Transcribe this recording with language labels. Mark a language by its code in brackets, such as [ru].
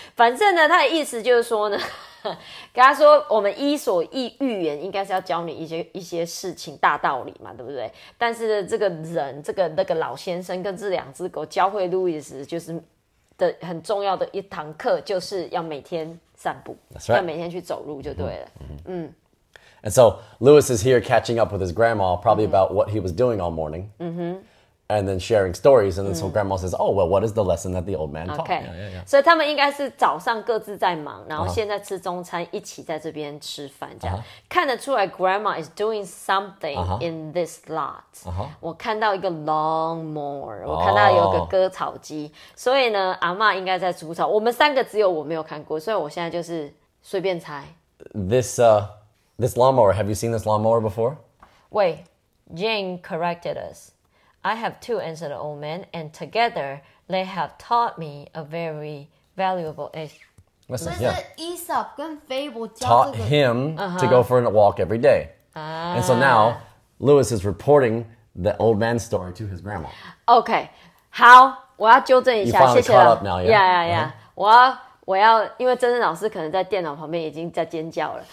[zh] 反正呢，他的意思就是说呢，跟他说我们伊索寓言应该是要教你一些事情大道理嘛，对不对？但是这个老先生跟这两只狗教会 Louis 就是的很重要的一堂课，就是要每天散步， [en] That's right. [zh] 要每天去走路就对了。 [en] And so Louis is here catching up with his grandma, probably about what he was doing all morning. And then sharing stories. And then so grandma says, oh, well, what is the lesson that the old man taught? Okay. Yeah. [zh] 所以他们应该是早上各自在忙，然后现在吃中餐，一起在这边吃饭，这样。看得出来 [en] grandma is doing something in this lot. [zh] 我看到一个 lawnmower, 我看到有个割草机。所以呢，阿嬷应该在除草。我们三个只有我没有看过，所以我现在就是随便猜。 [en] This lawnmower, have you seen this lawnmower before? Wait, Jane corrected us. I have two, answered the old man, and together they have taught me a very valuable lesson. This is Aesop and Fable taught him to go for a walk every day. And so now, Louis is reporting the old man's story to his grandma. Okay, how [zh] 我要纠正一下，谢谢了。 [en] Yeah. [zh] 我要，因为真正老师可能在电脑旁边已经在尖叫了。